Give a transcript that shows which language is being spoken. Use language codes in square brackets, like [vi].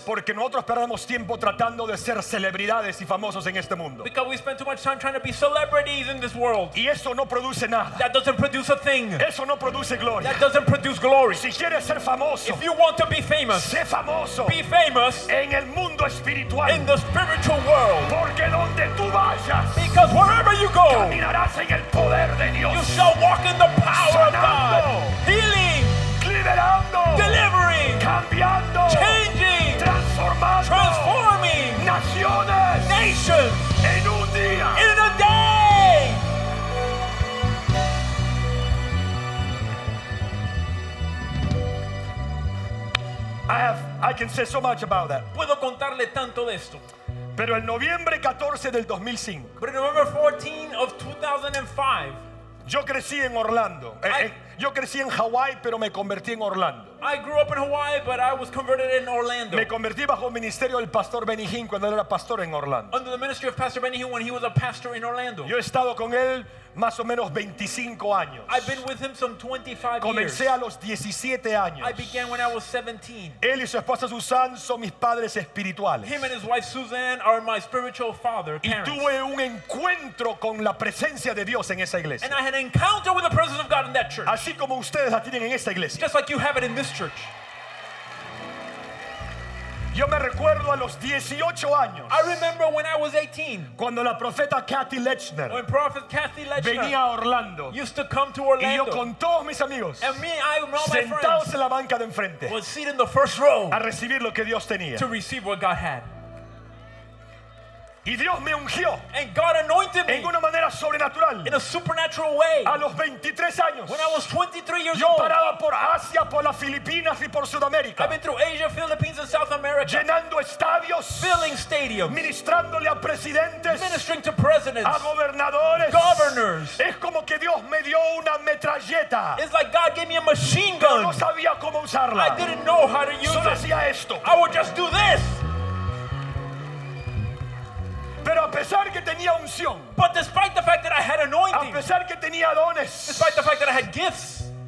[es] Porque nosotros perdemos tiempo tratando de ser celebridades y famosos en este mundo. [en] Because we spend too much time trying to be celebrities in this world. [es] Y eso no produce nada. [en] That doesn't produce a thing. [es] Eso no produce gloria. [en] That doesn't produce glory. [es] Si quieres ser famoso, [en] if you want to be famous, [es] sé famoso. [en] Be famous [es] en el mundo espiritual. [en] In the spiritual world. [es] Porque donde tú vayas, [en] because wherever you go, [es] caminarás en el poder de Dios. [en] You shall walk in the power [es] sanando, [en] of God. Healing. [es] Liberando. [en] Delivering. [es] Cambiando, [en] changing, [es] transformando, [en] transforming [es] naciones, [en] nations [es] en un día, [en] in a day. I can say so much about that. [es] Puedo contarle tanto de esto. Pero el noviembre 14 del 2005. [en] But in November 14 of 2005. [es] Yo crecí en Orlando. Yo crecí en Hawaii, pero me convertí en Orlando. [en] I grew up in Hawaii, but I was converted in Orlando. [es] Me convertí bajo el ministerio del pastor Benny Hinn cuando él era pastor en Orlando. [en] Under the ministry of Pastor Benny Hinn when he was a pastor in Orlando. [es] Yo he estado con él más o menos 25 años. [en] I've been with him some 25 years. [es] Comencé a los 17 años. [en] I began when I was 17. [es] Él y su esposa Susan son mis padres espirituales. [en] Him and his wife Susan are my spiritual father, parents. [es] Y tuve un encuentro con la presencia de Dios en esa iglesia. [en] And I had an encounter with the presence of God in that church. [es] Así como ustedes la tienen en esta iglesia. [en] Just like you have it in this church. [es] Yo me recuerdo a los 18 años. [en] I remember when I was 18. [es] Cuando la profeta Kathy Lechner, [en] when Prophet Kathy Lechner [es] venía a Orlando, [en] used to come to Orlando. [es] Y yo con todos mis amigos, [en] and me, I and all my [es] sentados [en] friends, [es] en la banca de enfrente, [en] was seated in the first row, [es] a recibir lo que Dios tenía, [en] to receive what God had. [es] Y Dios me ungió, [en] and God anointed me [es] en una manera sobrenatural, [en] in a supernatural way. [es] A los 23 años, [en] when I was 23 years [es] yo [en] old, [es] paraba por Asia, por las Filipinas y por Sudamérica. [en] I've been through Asia, Philippines, and South America, [es] llenando estadios, [en] filling stadiums, [es] ministrándole a presidentes, [en] ministering to presidents, [es] a gobernadores, [en] governors. [es] Es como que Dios me dio una metralleta. [en] It's like God gave me a machine gun. [es] Pero no sabía cómo usarla. [en] I didn't know how to use [es] solo [en] it. [es] Hacía esto. [en] I would just do this. [es] Pero a pesar que tenía unción, [en] but despite the fact that I had anointing, [es] a pesar que tenía dones, [en] despite the fact that I had gifts,